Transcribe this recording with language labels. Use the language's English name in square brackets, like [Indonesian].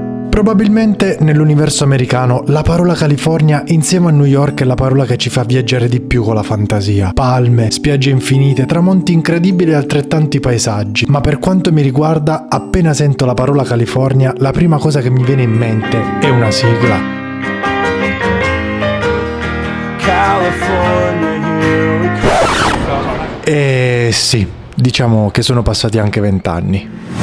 [Italian] Probabilmente nell'universo americano la parola California insieme a New York è la parola che ci fa viaggiare di più con la fantasia. Palme, spiagge infinite, tramonti incredibili e altrettanti paesaggi. Ma per quanto mi riguarda, appena sento la parola California, la prima cosa che mi viene in mente è una sigla. [English] California, here we come. [Italian] Sì, diciamo che sono passati anche 20 anni.